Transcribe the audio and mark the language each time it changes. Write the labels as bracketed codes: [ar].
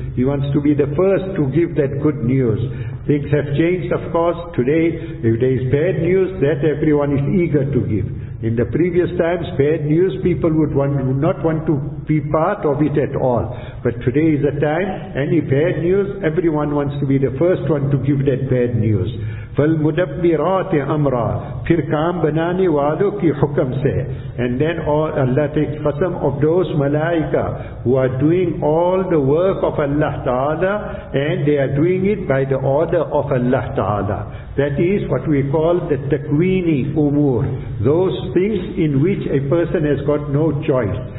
[en] He wants to be the first to give that good news. Things have changed, of course. Today, if there is bad news, that everyone is eager to give. In the previous times, bad news, people would not want to be part of it at all. But today is a time, any bad news, everyone wants to be the first one to give that bad news. [ar] فَالْمُدَبِّرَاتِ أَمْرَى [ur] پھر کام بنانے والوں کی حکم سے. [en] And then Allah takes qasam of those malaika who are doing all the work of Allah Ta'ala, and they are doing it by the order of Allah Ta'ala. That is what we call the takwini umur, those things in which a person has got no choice.